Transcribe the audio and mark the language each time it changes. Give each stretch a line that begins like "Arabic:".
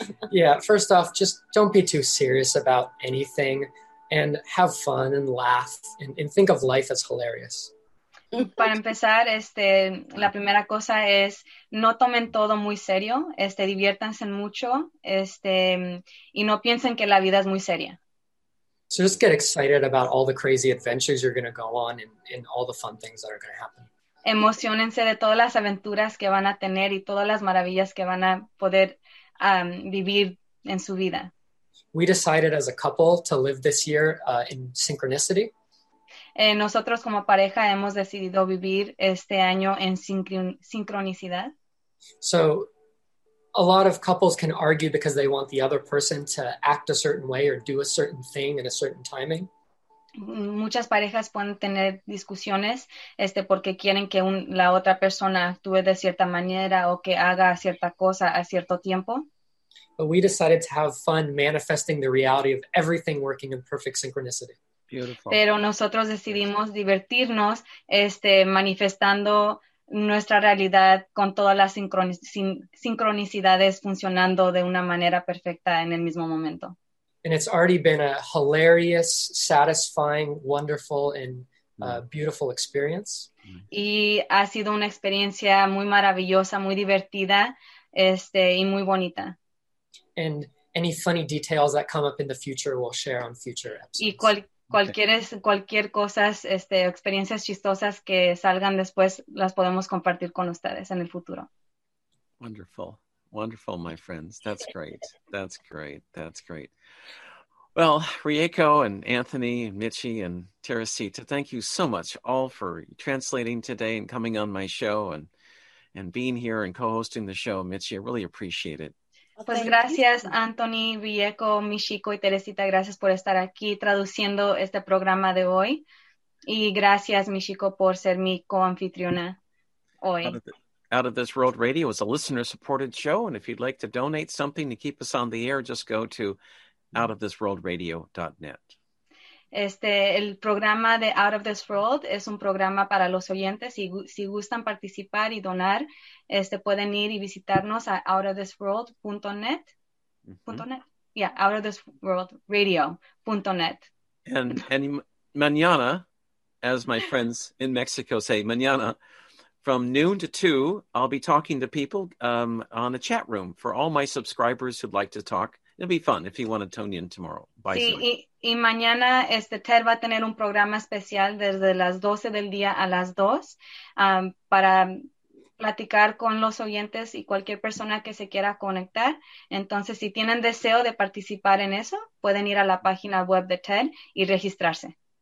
English: Yeah, first off, just don't be too serious about anything and have fun and laugh and think of life as hilarious.
Spanish: Para empezar, este, la primera cosa es no tomen todo muy serio, este, diviértanse mucho, este, y no piensen que la vida es muy seria.
English: So just get excited about all the crazy adventures you're going to go on and all the fun things that are going to happen.
Spanish: Emocionense de todas las aventuras que van a tener y todas las maravillas que van a poder vivir en su vida.
English: We decided as a couple to live this year in synchronicity.
Spanish: Nosotros como pareja hemos decidido vivir este año en sincronicidad.
English: So a lot of couples can argue because they want the other person to act a certain way or do a certain thing in a certain timing.
Spanish: Muchas parejas pueden tener discusiones porque quieren que la otra persona actúe de cierta manera o que haga cierta cosa a cierto tiempo.
English: But we decided to have fun manifesting the reality of everything working in perfect synchronicity. Beautiful.
Spanish: Pero nosotros decidimos divertirnos manifestando nuestra realidad con todas las sincronicidades funcionando de una manera perfecta en el mismo momento.
English: And it's already been a hilarious, satisfying, wonderful, and beautiful experience.
Spanish: Y ha sido una experiencia muy maravillosa, muy divertida, y muy bonita.
English: And any funny details that come up in the future, we'll share on future episodes.
Spanish: Y cualquier cosas, experiencias chistosas que salgan después, las podemos compartir con ustedes en el futuro.
English: Wonderful. Wonderful, my friends. That's great. That's great. That's great. Well, Rieko and Anthony and Michi and Teresita, thank you so much all for translating today and coming on my show and being here and co-hosting the show. Michi, I really appreciate it.
Spanish: Pues gracias, Anthony, Rieko, Michiko y Teresita. Gracias por estar aquí traduciendo este programa de hoy. Y gracias, Michiko, por ser mi co-anfitriona hoy.
English: Out of This World Radio is a listener-supported show, and if you'd like to donate something to keep us on the air, just go to outofthisworldradio.net.
Spanish: El programa de Out of This World es un programa para los oyentes. Si gustan participar y donar, pueden ir y visitarnos a outofthisworld.net.
English: outofthisworldradio.net. And mañana, as my friends in Mexico say, mañana, from noon to 2, I'll be talking to people on the chat room for all my subscribers who'd like to talk. It'll be fun if you want to tune in tomorrow. Bye.
Spanish: Sí, y mañana Ted va a tener un programa especial desde las 12 del día a las 2 para platicar con los oyentes y cualquier persona que se quiera conectar. Entonces, si tienen deseo de participar en eso, pueden ir a la página web de Ted y registrarse.